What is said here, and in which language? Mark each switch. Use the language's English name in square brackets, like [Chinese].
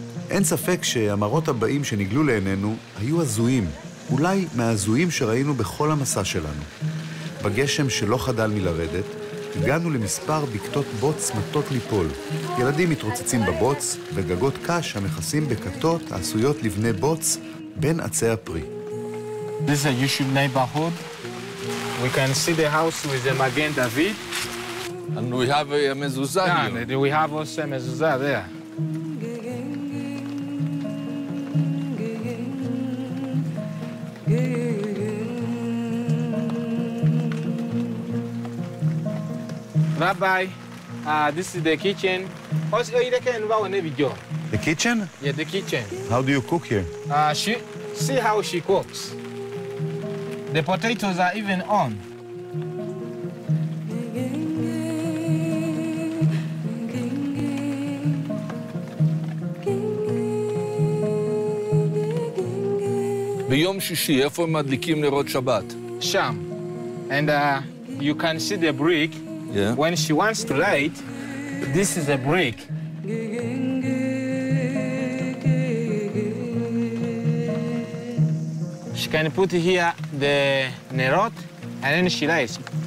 [Hebrew] אין ספק שהמראות הבאים שנגלו לעינינו היו הזויים, אולי מהזויים שראינו בכל המסע שלנו. בגשם שלא חדל מלרדת, הגענו למספר בקתות בוץ מטות ליפול. ילדים מתרוצצים בבוץ, וגגות קש המכסים בקתות עשויות לבני בוץ בין עצי הפרי. [English] This is a Yishuv neighborhood. We can see the house with the Magen David. And we have a mezuzah here. Yeah, we have also a mezuzah there. Rabbi, this is the kitchen. Also, you can go on every job. The kitchen? Yeah, the kitchen. How do you cook here? See how she cooks. The potatoes are even on. [Hebrew] ביום שישי, איפה הם מדליקים נרות שבת? שם. [English] And you can see the brick. Yeah. When she wants to light, this is a brick. She can put here the nerot, and then she lights.